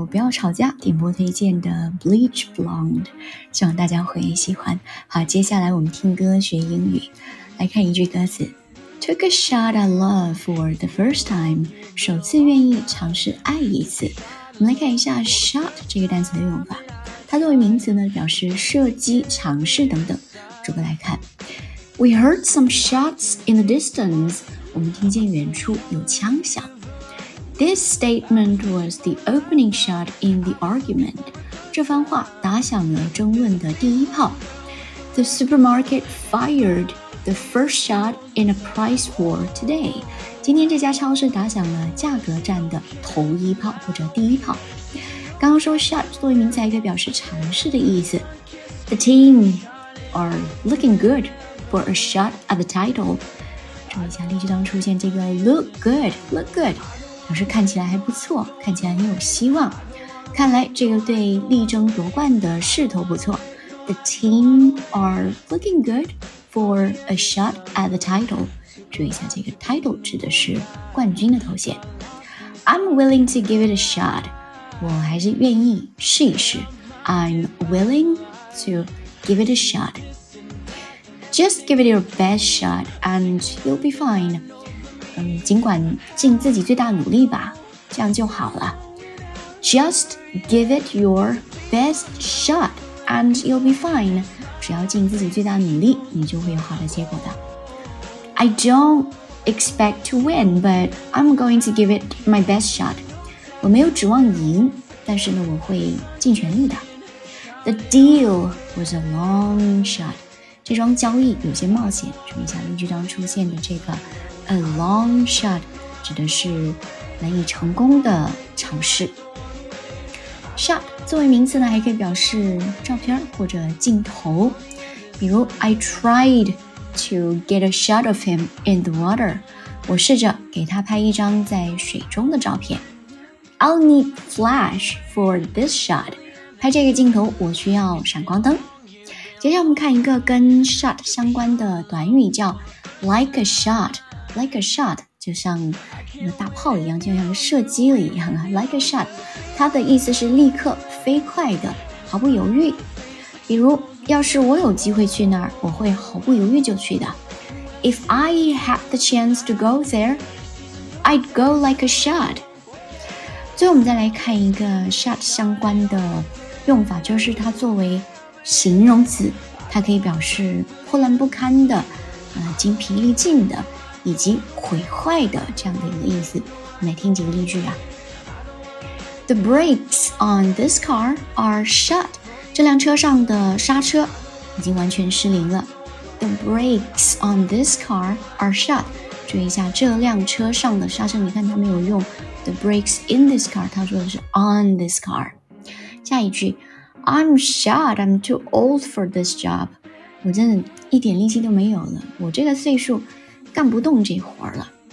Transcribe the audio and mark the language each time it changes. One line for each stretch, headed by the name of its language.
Chinese: 吵架点播推荐的 Bleach Blonde， 希望大家会喜欢。好，接下来我们听歌学英语，来看一句歌词。
English: Took a shot at love for the first time，
Chinese: 首次愿意尝试爱一次。我们来看一下 shot 这个单词的用法，它作为名词呢，表示射击、尝试等等。逐个来看。
English: We heard some shots in the distance，
Chinese: 我们听见远处有枪响。
English: This statement was the opening shot in the argument.
Chinese: 这番话打响了争论的第一炮。
English: The supermarket fired the first shot in a price war today.
Chinese: 今天这家超市打响了价格战的头一炮或者第一炮。刚刚说 shot 作为名词可以表示尝试的意思。
English: The team are looking good for a shot at the title.
Chinese: 注意一下例句当中出现这个 look good, look good. 表示看起来还不错，看起来很有希望，看来这个队力争夺冠的势头不错。
English: The team are looking good for a shot at the title.
Chinese: 注意一下这个 title 指的是冠军的头衔。
English: I'm willing to give it a shot.
Chinese: 我还是愿意试一试。
English: I'm willing to give it a shot. Just give it your best shot and you'll be fine.
Chinese: 尽管尽自己最大努力吧，这样就好了。
English: Just give it your best shot and you'll be fine.
Chinese: 只要尽自己最大努力，你就会有好的结果的。
English: I don't expect to win, but I'm going to give it my best shot.
Chinese: 我没有指望赢，但是呢，我会尽全力的。
English: The deal was a long shot.
Chinese: 这桩交易有些冒险。注意一下例句中出现的这个 a long shot， 指的是难以成功的尝试。 Shot 作为名词呢，还可以表示照片或者镜头。比如
English: I tried. To get a shot of him in the water.
Chinese: 我试着给他拍一张在水中的照片。
English: I'll need flash for this shot.
Chinese: 拍这个镜头我需要闪光灯。接下来我们看一个跟 shot 相关的短语，叫
English: like a shot. Like a shot
Chinese: 就像大炮一样，就像射击了一样啊。
English: Like a shot
Chinese: 它的意思是立刻、飞快的、毫不犹豫。比如要是我有机会去那儿，我会毫不犹豫就去的。
English: If I had the chance to go there, I'd go like a shot.
Chinese: 最后我们再来看一个 shot 相关的用法，就是它作为形容词，它可以表示破烂不堪的、精疲力尽的以及毁坏的这样的一个意思。我们来听几个例句啊。
English: The brakes on this car are shot.
Chinese: 这辆车上的刹车已经完全失灵了。
English: The brakes on this car are shot.
Chinese: 注意一下这辆车上的刹车，你看他没有用
English: the brakes in this car，
Chinese: 他说的是
English: on this car。
Chinese: 下一句
English: I'm shot. I'm too old for this job.
Chinese: 我真的一点力气都没有了，我这个岁数干不动这活了。